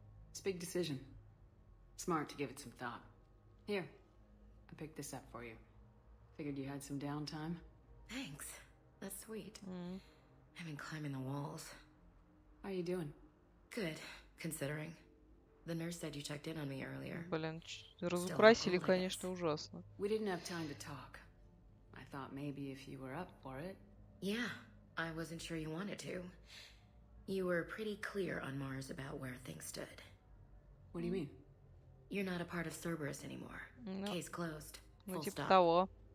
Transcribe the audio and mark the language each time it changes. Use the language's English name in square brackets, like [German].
[English] It's a big decision. Smart to give it some thought. Here. I picked this up for you. Figured you had some downtime. Thanks. That's sweet. I've been climbing the walls. How are you doing? Good, considering. The nurse said you checked in on me earlier. [Russian] Блин, разукрасили, конечно, ужасно. [English] We didn't have time to talk. I thought maybe if you were up for it. Yeah, I wasn't sure you wanted to. You were pretty clear on Mars about where things stood. What do you mean? You're not a part of Cerberus anymore. No. Case closed. Full [Russian] типа [English] stop. [Russian] Того.